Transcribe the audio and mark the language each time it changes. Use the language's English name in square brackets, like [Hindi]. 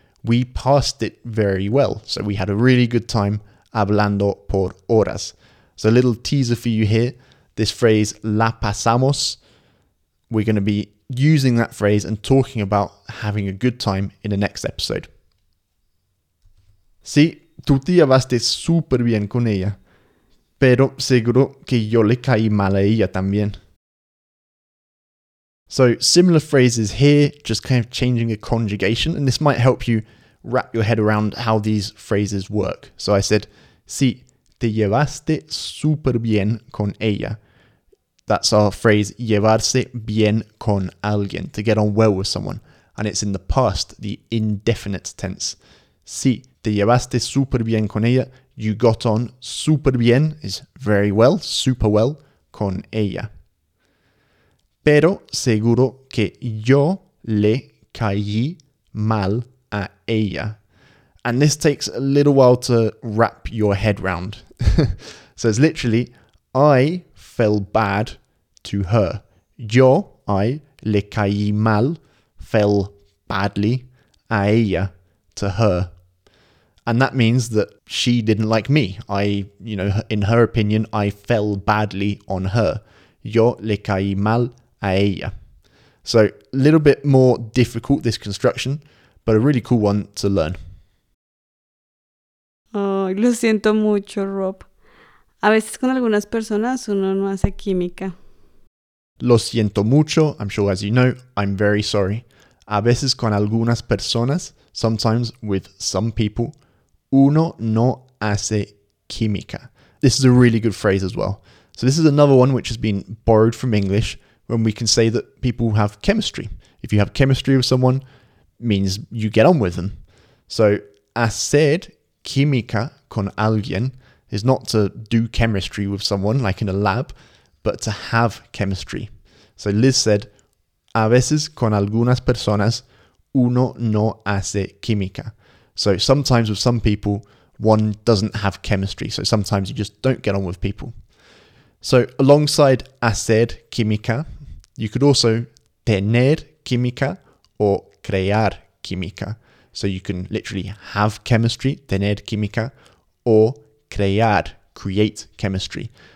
[English] We passed it very well. So we had a really good time [Spanish] hablando por horas. [English] So a little teaser for you here. This phrase, [Spanish] la pasamos. [English] We're going to be using that phrase and talking about having a good time in the next episode. [Spanish] Sí, tú te llevaste súper bien con ella. Pero seguro que yo le caí mal a ella también. [English] So, similar phrases here, just kind of changing the conjugation. And this might help you wrap your head around how these phrases work. So I said, [Spanish] sí, te llevaste súper bien con ella. [English] That's our phrase, [Spanish] llevarse bien con alguien, [English] to get on well with someone. And it's in the past, the indefinite tense. [Spanish] Sí, te llevaste súper bien con ella. [English] You got on super bien, is very well, super well, con ella. [Spanish] Pero seguro que yo le caí mal a ella. [English] And this takes a little while to wrap your head round. So it's literally, I fell bad to her. [Spanish] Yo, I, le caí mal, [English] fell badly [Spanish] a ella, [English] to her. And that means that she didn't like me. I, you know, in her opinion, I fell badly on her. [Spanish] Yo le caí mal a ella. [English] So, a little bit more difficult, this construction, but a really cool one to learn. [Spanish] Oh, lo siento mucho, Rob. A veces con algunas personas uno no hace química. Lo siento mucho. [English] I'm sure as you know, I'm very sorry. [Spanish] A veces con algunas personas, [English] sometimes with some people, [Spanish] uno no hace química. [English] This is a really good phrase as well. So this is another one which has been borrowed from English when we can say that people have chemistry. If you have chemistry with someone, means you get on with them. So [Spanish] hacer química con alguien [English] is not to do chemistry with someone like in a lab, but to have chemistry. So Liz said, [Spanish] a veces con algunas personas uno no hace química. [English] So sometimes with some people, one doesn't have chemistry. So sometimes you just don't get on with people. So alongside hacer química, you could also tener química or crear química. So you can literally have chemistry, tener química, or crear, create chemistry.